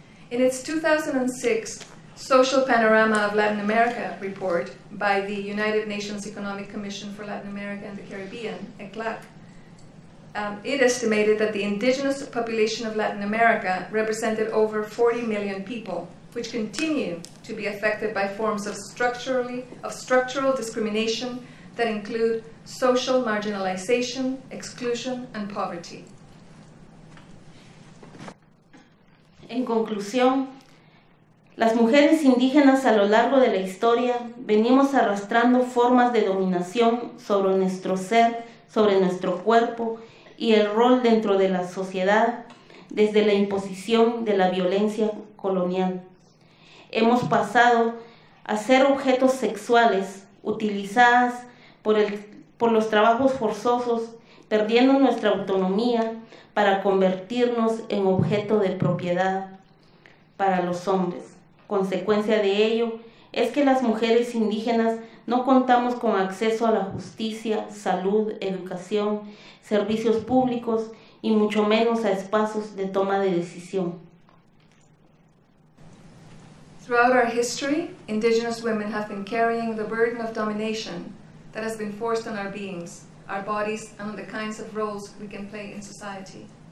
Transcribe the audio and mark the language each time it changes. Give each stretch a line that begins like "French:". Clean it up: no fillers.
English: In its 2006 Social Panorama of Latin America report by the United Nations Economic Commission for Latin America and the Caribbean, ECLAC, it estimated that the indigenous population of Latin America represented over 40 million people, which continue to be affected by forms of structural discrimination that include social marginalization, exclusion, and poverty.
Spanish: En conclusión, las mujeres indígenas a lo largo de la historia venimos arrastrando formas de dominación sobre nuestro ser, sobre nuestro cuerpo y el rol dentro de la sociedad desde la imposición de la violencia colonial. Hemos pasado a ser objetos sexuales utilizadas por los trabajos forzosos, perdiendo nuestra autonomía para convertirnos en objeto de propiedad para los hombres. Consecuencia de ello es que las mujeres indígenas no contamos con acceso a la justicia, salud, educación, servicios públicos y mucho menos a espacios de toma de decisión.
English: Throughout our history, indigenous women have been carrying the burden of domination that has been forced on our beings, our bodies, and on the kinds of roles we can play in society.